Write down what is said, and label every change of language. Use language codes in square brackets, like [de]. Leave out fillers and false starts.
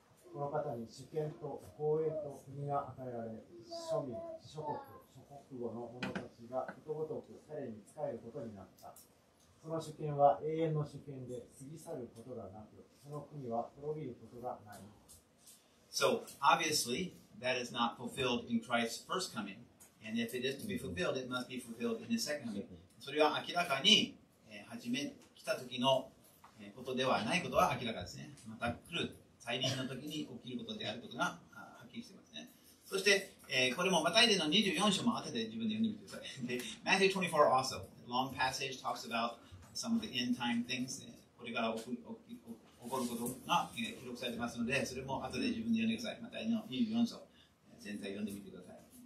[ja] この方に主権と公栄と国が与えられ、庶民、諸国、国語の者たちがことごとく彼に仕えることになった。その主権は永遠の主権で過ぎ去ることがなく、その国は滅びることがない。 [en] So obviously, that is not fulfilled in Christ's first coming. And if it is to be fulfilled, it must be fulfilled in his second coming. [ja] それは明らかに、初め来た時のことではないことは明らかですね。また来る再臨の時に起きることであることがはっきりしていますね。そして、これもマタイでの24章も後で自分で読んでみてください。 [en] Matthew 24 also, a long passage talks about some of the end time things. [ja] これから起こることが記録されていますので、それも後で自分で読んでください。マタイの24章、全体読んでみてください。